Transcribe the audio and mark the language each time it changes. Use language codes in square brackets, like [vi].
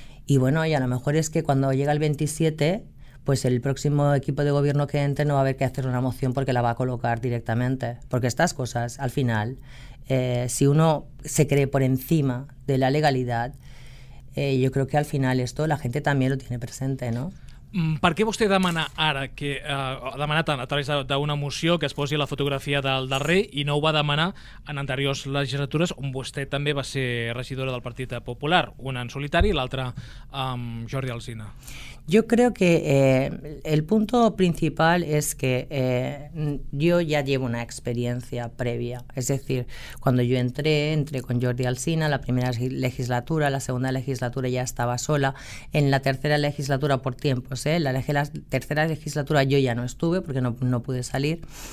[es] Y bueno, y a lo mejor es que cuando llega el 27... pues el próximo equipo de gobierno que entre no va a haber que hacer una moción porque la va a colocar directamente. Porque estas cosas, al final, si uno se cree por encima de la legalidad, yo creo que al final esto la gente también lo tiene presente, ¿no? [ca] Per què vostè demana ara, que ha demanat a través d'una moció que es posi la fotografia del darrer, i no ho va demanar en anteriors legislatures on vostè també va ser regidora del Partit Popular, una en solitari i l'altra amb Jordi Alsina? [es] Yo creo que el punto principal es que yo ya llevo una experiencia previa. Es decir, cuando yo entré con Jordi Alsina, la primera legislatura, la segunda legislatura ya estaba sola. En la tercera legislatura, por tiempos, la tercera legislatura yo ya no estuve porque no pude salir.